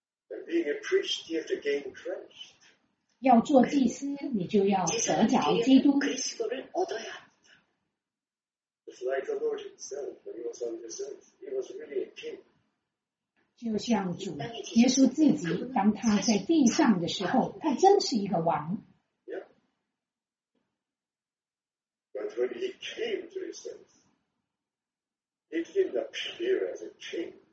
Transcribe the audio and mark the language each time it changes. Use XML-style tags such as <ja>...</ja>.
<en>And being a priest, you have to gain Christ.</en> <zh>要做祭司，你就要得着基督。</zh> <en>It's like the Lord himself when he was on this earth. He was really a king.</en> <zh>就像主耶稣自己，当他在地上的时候，他真是一个王。</zh> <en>But when he came to his earth, he didn't appear as a king.</en>